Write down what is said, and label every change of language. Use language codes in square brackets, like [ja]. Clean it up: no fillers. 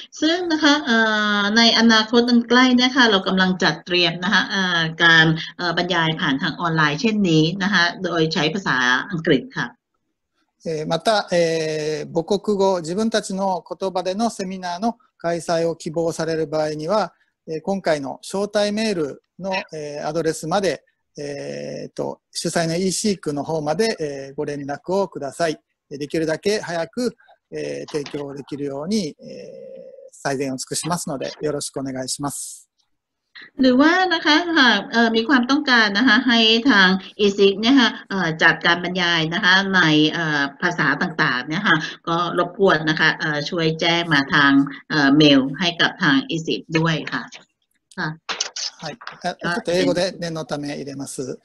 [th] ซึ่งนะคะในอนาคตอันใกล้นะคะเรากำลังจัดเตรียมนะคะการบรรยายผ่านทางออนไลน์เช่นนี้นะคะโดยใช้ภาษาอังกฤษค่ะ。 [ja] また、母国語自分たちの言葉でのセミナーの開催を希望される場合には、今回の招待メールの、アドレスまで。主催の EC 区の方まで、ご連絡をください。できるだけ早く、提供できるように、最善を尽くしますのでよろしくお願いします。 [th] หรือว่านะคะหากมีความต้องการนะคะให้ทาง EC เนี่ยค่ะจัดการบรรยายนะคะในภาษาต่างๆเนี่ยค่ะก็รบกวนนะคะช่วยแจ้งมาทางเมลให้กับทาง EC ด้วยค่ะ [ja] はい、ちょっと英語で念のため入れます。